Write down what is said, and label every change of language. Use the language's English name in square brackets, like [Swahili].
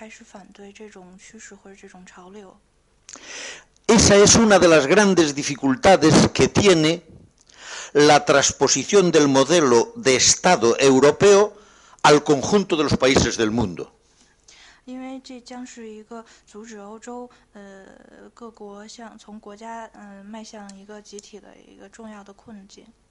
[Chinese] 因为在欧洲人的文化中，我们从15世纪或者更早以前就开始反对这种趋势或者这种潮流。 [Spanish] Esa es una de las grandes dificultades que tiene la transposición del modelo de Estado europeo al conjunto de los países del mundo. [Chinese] 因为这将是一个阻止欧洲各国向从国家迈向一个集体的一个重要的困境。